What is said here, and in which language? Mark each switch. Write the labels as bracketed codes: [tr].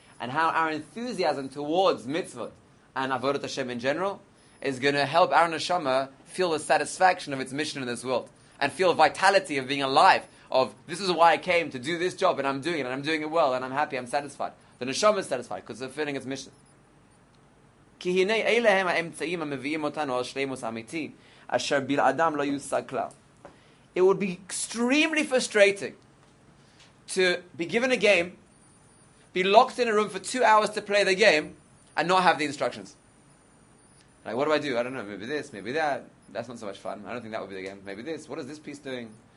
[en] And how our enthusiasm towards mitzvot and avodat Hashem in general is going to help our neshama feel the satisfaction of its mission in this world and feel vitality of being alive, of this is why I came to do this job and I'm doing it and I'm doing it well and I'm happy, I'm satisfied. The neshama is satisfied because it's fulfilling its mission. [he] כי הנה אלה הם האמצעים המביאים אותנו על שלמוס אמיתי, אשר בלעדם לא יושג כלל. [en] It would be extremely frustrating to be given a game, be locked in a room for 2 hours to play the game, and not have the instructions. Like, what do? I don't know, maybe this, maybe that. That's not so much fun. I don't think that would be the game. Maybe this. What is this piece doing?